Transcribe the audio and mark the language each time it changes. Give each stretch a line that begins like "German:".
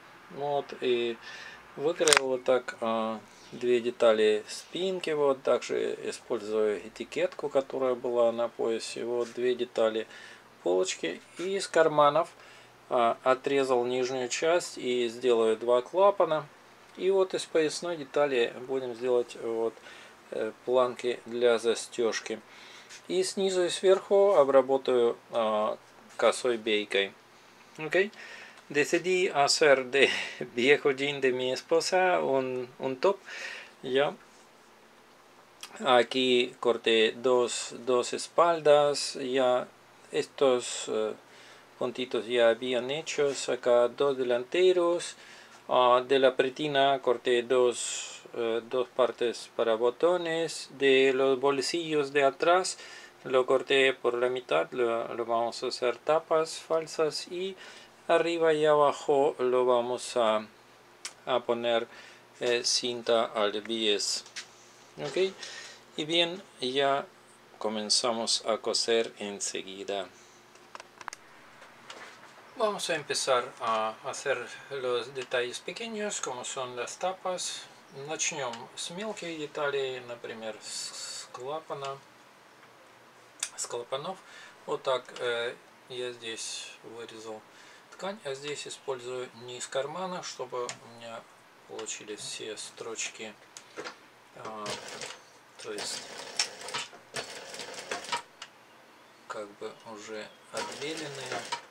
Russian: Вот, и выкроил вот так две детали спинки, вот, также использую этикетку, которая была на поясе, вот, две детали полочки, и из карманов отрезал нижнюю часть и сделаю два клапана. И вот из поясной детали будем сделать вот планки для застежки. И снизу и сверху обработаю косой бейкой.
English: Okay.
Spanish: Decidí hacer de viejo jean de mi esposa un top. Yo aquí corté dos espaldas. Ya estos puntitos ya habían hechos acá dos delanteros. De la pretina corté dos partes para botones. De los bolsillos de atrás lo corté por la mitad. Lo vamos a hacer tapas falsas. Y arriba y abajo lo vamos a poner cinta al bies. Okay. Y bien, ya comenzamos a coser enseguida. Vamos a empezar a hacer los detalles pequeños, como son las tapas.
Russian: Начнем с мелких деталей, например, с клапанов. Вот так я здесь вырезал ткань, а здесь использую низ кармана, чтобы у меня получились все строчки, то есть как бы уже отбеленные.